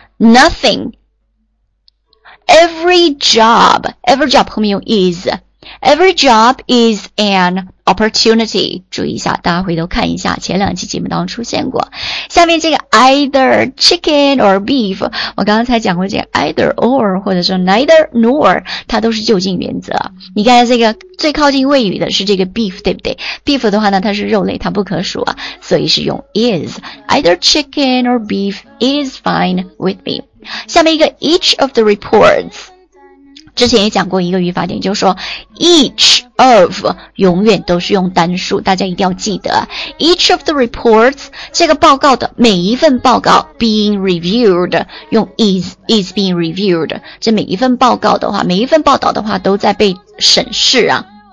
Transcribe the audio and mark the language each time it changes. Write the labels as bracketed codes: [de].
[zh] Nothing, every job 后面用 is, [en] every job is an opportunity, [zh] 注意一下，大家回头看一下前两期节目当中出现过。下面这个 [en] either chicken or beef, [zh] 我刚才讲过这个 either or, 或者说 neither nor, 它都是就近原则。你刚才这个最靠近谓语的是这个 beef, 对不对？ beef 的话呢，它是肉类，它不可数啊，所以是用 is, [en] either chicken or beef is fine with me。 [zh] 下面一个 [en] each of the reports, [zh] 之前也讲过一个语法点，就是说 each of 永远都是用单数，大家一定要记得 each of the reports, 这个报告的每一份报告 being reviewed, 用 [en] is being reviewed, [zh] 这每一份报告的话，每一份报道的话都在被审视啊。